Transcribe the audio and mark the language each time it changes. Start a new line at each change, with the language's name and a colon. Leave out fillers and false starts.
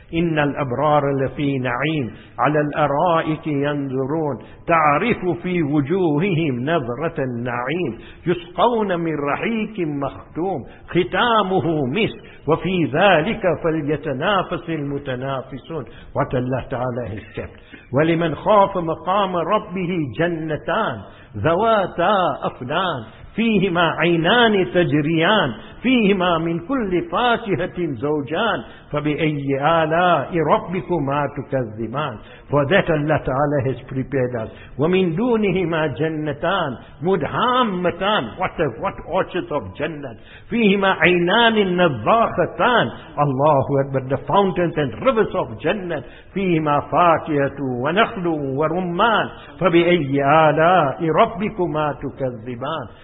Arabic: إِنَّ الْأَبْرَارَ لَفِي نَعِيمٍ عَلَى الْأَرَائِكِ يَنْظُرُونَ تَعْرِفُ فِي وُجُوهِهِمْ نَظْرَةَ النَّعِيمِ يُسْقَوْنَ مِنْ رَحِيكٍ مَخْتُومٍ خِتَامُهُ مِسْكٌ وَفِي ذَلِكَ فَلْيَتَنَافَسِ الْمُتَنَافِسُونَ.
English: What Allah Ta'ala has kept.
Arabic: وَلِمَنْ خَافَ مَقَامَ رَبِّهِ جَنَّتَانِ ذَوَاتَا أَفْنَانِ فيهما عينان تجريان فيهما من كل فاكهة زوجان فبأي آلاء ربكما تكذبان.
English: For that Allah Ta'ala has prepared us.
Arabic: وَمِن دُونِهِمَا جَنَّتَان مُدْهَامَّتَان.
English: What orchards of Jannah.
Arabic: فِيهِمَا عَيْنَانِ النَّظَّاخَتَان.
English: Allahu Akbar. The fountains and rivers of Jannah.
Arabic: فِيهِمَا فَاكِهَةُ وَنَخْلٌ وَرُمَّان فَبِأَيِّ آلَاءِ رَبِّكُمَا تُكَذِّبَان.